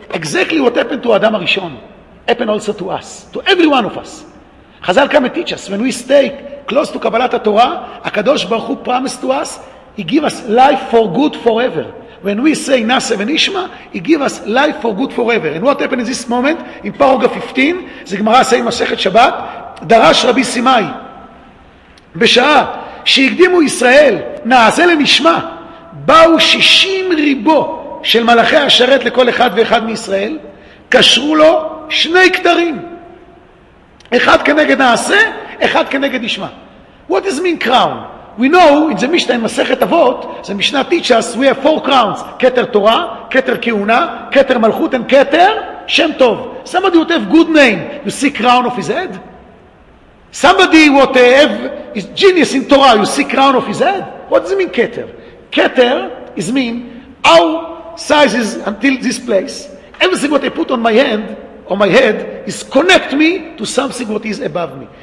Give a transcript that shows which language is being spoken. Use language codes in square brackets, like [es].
[en] Exactly what happened to Adam HaRishon happened also to us, to every one of us. Chazal come and teach us, when we stay close to Kabbalat HaTorah, HaKadosh Baruch Hu promised to us, He give us life for good forever. When we say Naseh V'Nishma, He give us life for good forever. And what happened in this moment, in Paragraph 15, the Gemara says in Masechet Shabbat, Darash Rabbi Simai, [he] בשעה שהקדימו ישראל, נעשה לנשמה, באו 60 ריבו, של מלאכי השרת לכל אחד ואחד מישראל, קשרו לו שני כתרים. אחד כנגד נעשה, אחד כנגד נשמע. [en] What does mean crown? We know, in the Mishnah, in מסכת אבות, the Mishnah teach us, we have four crowns. [he] כתר תורה, כתר כהונה, כתר מלכות, and כתר שם טוב. [en] Somebody would have good name. You see crown of his head? Somebody would have his genius in Torah. You see crown of his head? What does it mean כתר? כתר is mean, how sizes until this place, everything what I put on my hand or my head is connect me to something what is above me.